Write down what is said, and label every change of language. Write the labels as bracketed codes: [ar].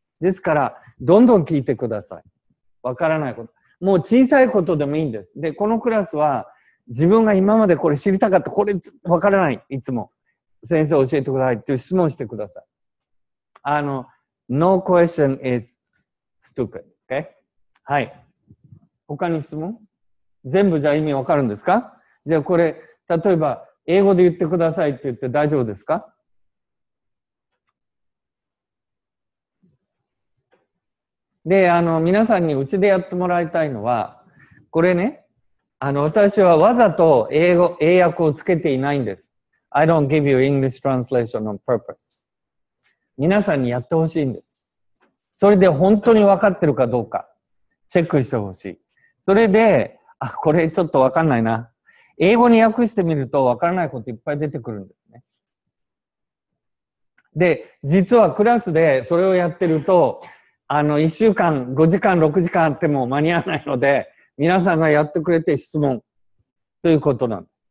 [ja] ですから、どんどん聞いてください。わからないこと。もう小さいことでもいいんです。で、このクラスは、自分が今までこれ知りたかった、これ分からない、いつも。先生教えてくださいっていう質問してください。あの、 [en] No question is stupid, okay? [ja] はい。他に質問？全部じゃあ意味分かるんですか？じゃあこれ、例えば、英語で言ってくださいって言って大丈夫ですか？で、あの、皆さんにうちでやってもらいたいのは、これね、あの、私はわざと英訳をつけていないんです。 [en] I don't give you English translation on purpose. [ja] 皆さんにやってほしいんです。それで本当に分かってるかどうか、チェックしてほしい。それで、あ、これちょっと分かんないな。英語に訳してみると分からないこといっぱい出てくるんですね。で、実はクラスでそれをやってると、あの、1週間、5時間、6時間あっても間に合わないので、皆さんがやってくれて質問ということなんです。